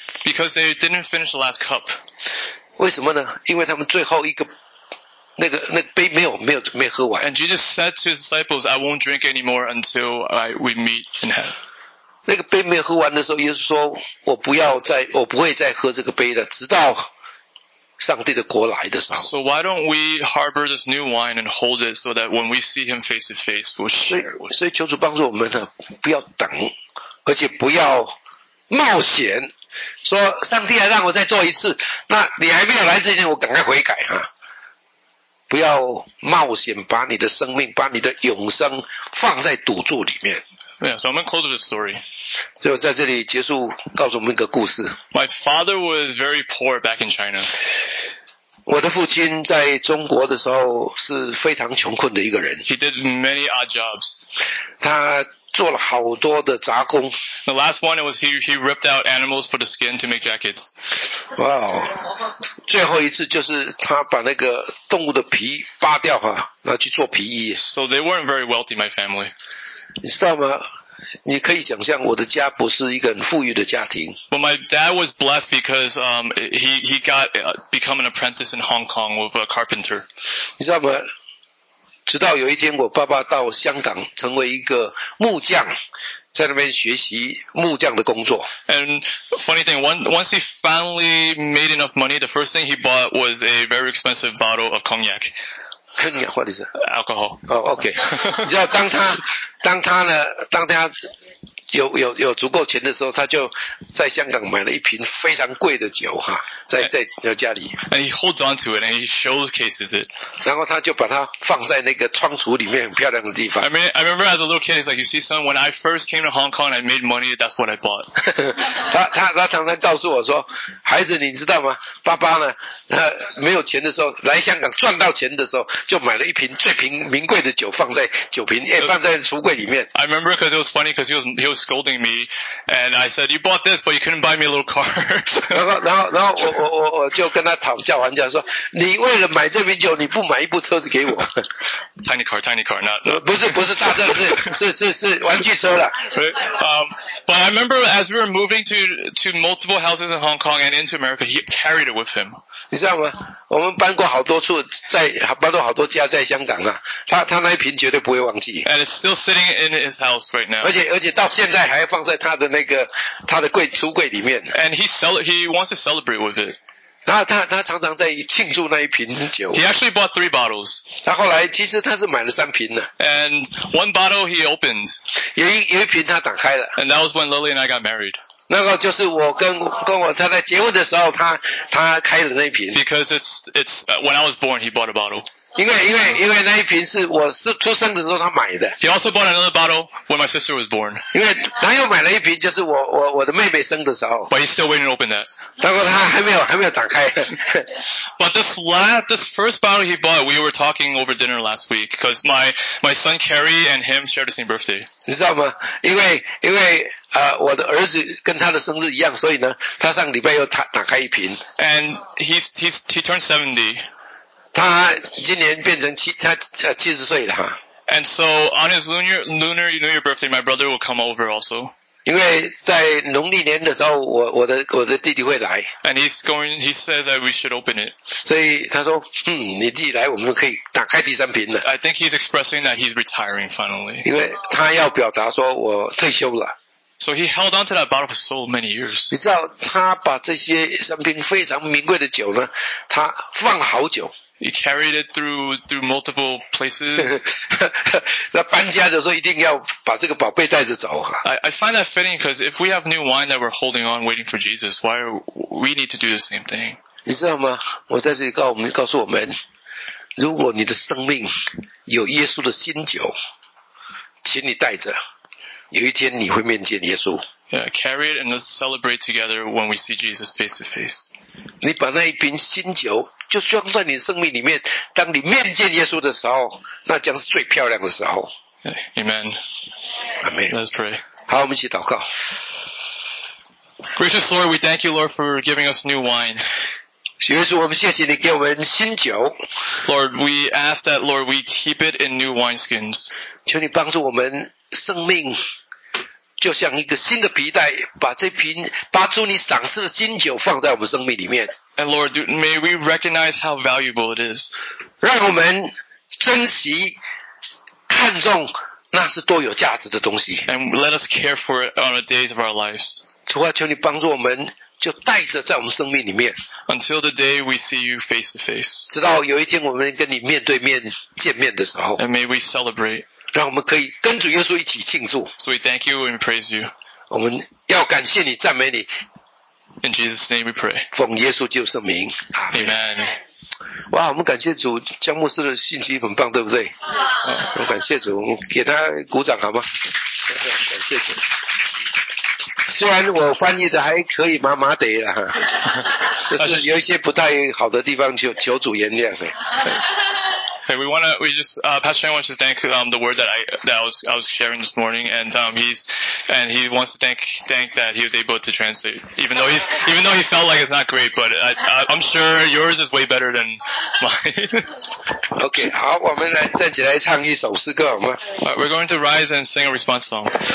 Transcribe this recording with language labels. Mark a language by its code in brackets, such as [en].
[en] Because they didn't finish the last cup. [zh] 为什么呢？因为他们最后一个那个杯没有喝完。 [en] And Jesus said to his disciples, "I won't drink anymore until we meet in heaven." [zh] 那个杯没有喝完的时候，耶稣说：“我不会再喝这个杯了，直到上帝的国来的时候。” [en] So why don't we harbor this new wine and hold it so that when we see him face to face, we'll share it with him. [zh] 所以求主帮助我们呢，不要等，而且不要冒险。说上帝还让我再做一次，那你还没有来之前，我赶快悔改哈！不要冒险把你的生命、把你的永生放在赌注里面。 [en] Yeah, so I'm going to close with a story. [zh] 就在这里结束，告诉我们一个故事。 [en] My father was very poor back in China. [zh] 我的父亲在中国的时候是非常穷困的一个人。 [en] He did many odd jobs. [zh] 他做了好多的杂工。 [en] The last one it was he ripped out animals for the skin to make jackets. Wow. [zh] 最后一次就是他把那个动物的皮扒掉哈，然后去做皮衣。 [en] So they weren't very wealthy, my family. [zh] 你知道吗？你可以想象我的家不是一个很富裕的家庭。 [en] Well, my dad was blessed because he got become an apprentice in Hong Kong with a carpenter. [zh] 你知道吗？直到有一天我爸爸到香港成为一个木匠，在那边学习木匠的工作。 [en] And funny thing, once he finally made enough money, the first thing he bought was a very expensive bottle of cognac. Cognac, what is it? Alcohol. Oh, okay. [zh] 你知道当他当他呢当他有足够钱的时候，他就在香港买了一瓶非常贵的酒哈，在家里。 [en] And he holds on to it and he showcases it. [zh] 然后他就把它放在那个窗橱里面很漂亮的地方。 [en] I remember as a little kid, he's like, you see, son, when I first came to Hong Kong and I made money, that's what I bought. [zh] 他常常告诉我说，孩子，你知道吗？爸爸呢，没有钱的时候，来香港赚到钱的时候，就买了一瓶最名贵的酒放在酒瓶，放在橱柜里面。 [en] I remember because it was funny because he was scolding me and I said, you bought this, but you couldn't buy me a little car. [zh] 然后 我就跟他讨价还价说，你为了买这瓶酒，你不买一部车子给我。 [en] Tiny car, not. [zh] 不是大车，是玩具车啦。 [en] But I remember as we were moving to multiple houses in Hong Kong and into America, he carried it with him. [zh] 你知道吗？我们搬过好多处，搬过好多家在香港啊。他那一瓶绝对不会忘记。 [en] And it's still sitting in his house right now. [zh] 而且到现在还放在他的橱柜里面。 [en] And he wants to celebrate with it. [zh] 然后他常常在庆祝那一瓶酒。 [en] He actually bought three bottles. [zh] 他后来其实他是买了三瓶的。 [en] And one bottle he opened. [zh] 有一瓶他打开了。 [en] And that was when Lily and I got married. [zh] 那个就是我跟我太太结婚的时候他开的那瓶。 [en] Because it's, when I was born, he bought a bottle. [zh] 因为那一瓶是我出生的时候他买的。 [en] He also bought another bottle when my sister was born. [zh] 因为他又买了一瓶就是我的妹妹生的时候。 [en] But he's still waiting to open that. [zh] 然后他还没有打开。 [en] But this first bottle he bought, we were talking over dinner last week, because my son Kerry and him shared the same birthday. [zh] 你知道吗？因为我的儿子跟他的生日一样，所以呢，他上礼拜又打开一瓶。 [en] And he turned 70. [zh] 他今年变成70岁了哈。 [en] And so on his lunar New Year birthday, my brother will come over also. [zh] 因为在农历年的时候，我的弟弟会来。 [en] And he's going. He says that we should open it. [zh] 所以他说，你弟弟来，我们可以打开第三瓶了。 [en] I think he's expressing that he's retiring finally. [zh] 因为他要表达说我退休了。 [en] So he held on to that bottle for so many years. [zh] 你知道他把这些三瓶非常名贵的酒呢，他放了好久。 [en] He carried it through multiple places. [zh] 那搬家的时候一定要把这个宝贝带着走啊。 [en] I find that fitting because if we have new wine that we're holding on waiting for Jesus, why we need to do the same thing? [zh] 你知道吗？我在这里告诉我们，如果你的生命有耶稣的新酒，请你带着。有一天你会面见耶稣。 [en] Yeah, carry it and let's celebrate together when we see Jesus face to face. [zh] 你把那一瓶新酒就装在你生命里面，当你面见耶稣的时候，那将是最漂亮的时候。 [en] Amen. Amen. Let's pray. [zh] 好，我们一起祷告。 [en] Gracious Lord, we thank you, Lord, for giving us new wine. [zh] 耶稣，我们谢谢你给我们新酒。 [en] Lord, we ask that, Lord, we keep it in new wineskins. [zh] 求你帮助我们生命就像一个新的皮带，把这瓶把主你赏赐的新酒放在我们生命里面。 [en] And Lord, may we recognize how valuable it is. [zh] 让我们珍惜看重那是多有价值的东西。 [en] And let us care for it on the days of our lives. [zh] 主啊，求你帮助我们就带着在我们生命里面。 [en] Until the day we see you face to face. [zh] 直到有一天我们跟你面对面见面的时候。 [en] And may we celebrate. [zh] 让我们可以跟主耶稣一起庆祝。 [en] So we thank you and praise you. [zh] 我们要感谢你，赞美你。 [en] In Jesus' name we pray. [zh] 奉耶稣基督圣名。 [en] Amen. [zh] 哇，我们感谢主，江牧师的信息很棒，对不对？我感谢主，我们给他鼓掌好吗？感谢主。虽然我翻译的还可以麻麻的啦，就是有一些不太好的地方求主原谅。 [en] Okay, Pastor Chan wants to thank, the word that I was sharing this morning, and he wants to thank that he was able to translate, even though he felt like it's not great, but I'm sure yours is way better than mine. [zh] Okay, 好，我们来站起来唱一首诗歌，好吗？ [en] We're going to rise and sing a response song.